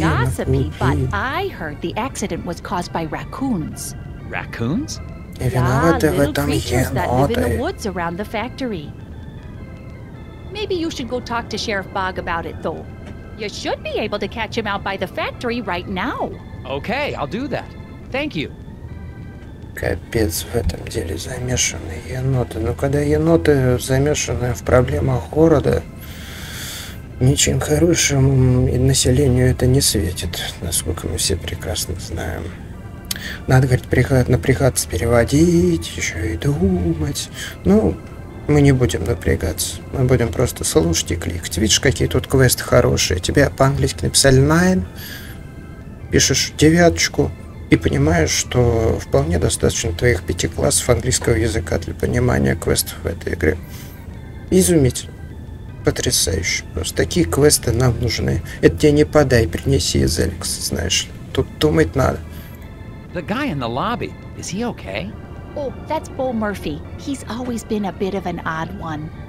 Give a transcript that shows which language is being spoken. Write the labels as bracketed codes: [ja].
[en] Well, not to gossipy, but I heard the accident was caused by raccoons. Raccoons? Yeah, little creatures that live in the woods around the factory. Maybe you should go talk to Sheriff Bog about it, though. You should be able to catch him out by the factory right now. Okay, I'll do that. Thank you. [ru] Капец, в этом деле замешаны еноты. Но когда еноты замешаны в проблемах города, ничем хорошим и населению это не светит, насколько мы все прекрасно знаем. Надо, говорит, напрягаться, переводить, еще и думать. Ну, мы не будем напрягаться. Мы будем просто слушать и кликать. Видишь, какие тут квесты хорошие. Тебе по-английски написали 9. Пишешь 9. И понимаешь, что вполне достаточно твоих 5 классов английского языка для понимания квестов в этой игре. Изумительно. Потрясающе. Просто такие квесты нам нужны. Это тебе не подай, принеси из Эликс, знаешь ли. Тут думать надо. [en] The guy in the lobby, is he okay? Oh, that's Bo Murphy. He's always been a bit of an odd one.